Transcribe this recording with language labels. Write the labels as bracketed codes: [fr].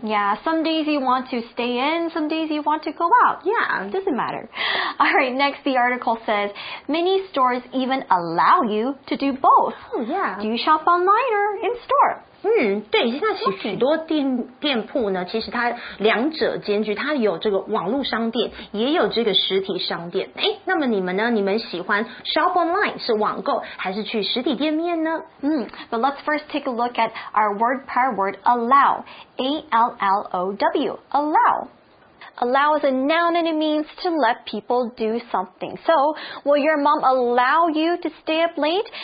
[en] Yeah, some days you want to stay in, some days you want to go out. Yeah, doesn't matter. All right, next the article says many stores even allow you to do both. Oh yeah. Do you shop online or in store? [zh] 对，现在其实许多店铺呢，其实它两者兼具，它有这个网络商店，也有这个实体商店。哎，那么你们呢？你们喜欢 [en] shop online [zh] 是网购，还是去实体店面呢？ [en] But let's first take a look at our word pair word allow, A L L O W, allow. Allow is a noun and it means to let people do something. So, will your mom allow you to stay up late?